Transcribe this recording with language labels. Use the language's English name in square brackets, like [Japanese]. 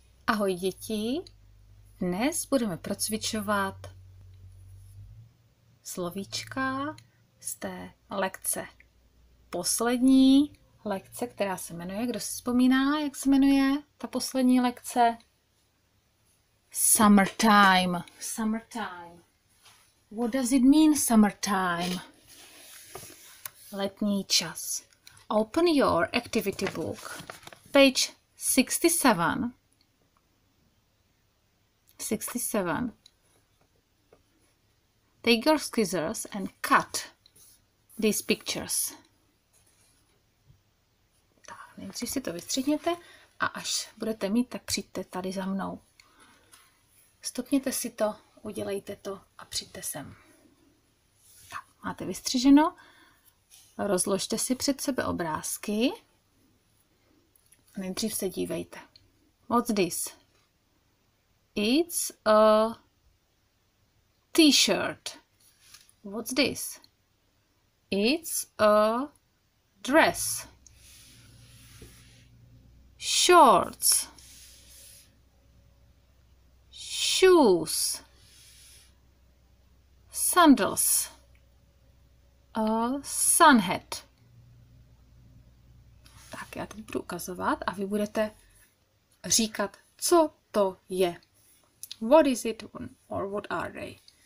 [Czech] Ahoj děti, dnes budeme procvičovat slovíčka z té lekce. Poslední lekce, která se jmenuje, kdo si vzpomíná, jak se jmenuje ta poslední lekce? [English] Summertime. Summertime. What does it mean, summertime? [Czech] Letní čas. [English] Open your activity book. Page 67. 67. Take your scissors and cut these pictures. [Czech] Tak, nejdřív si to vystřihněte a až budete mít, tak přijďte tady za mnou. Stopněte si to, udělejte to a přijďte sem. Tak, máte vystřiženo. Rozložte si před sebe obrázky. Nejdřív se dívejte. [English] What's this? It's a t-shirt. What's this? It's a dress. Shorts. Shoes. Sandals. A sun hat. [Czech] Tak já teď budu ukazovat a vy budete říkat, co to je. [English] What is it or what are they?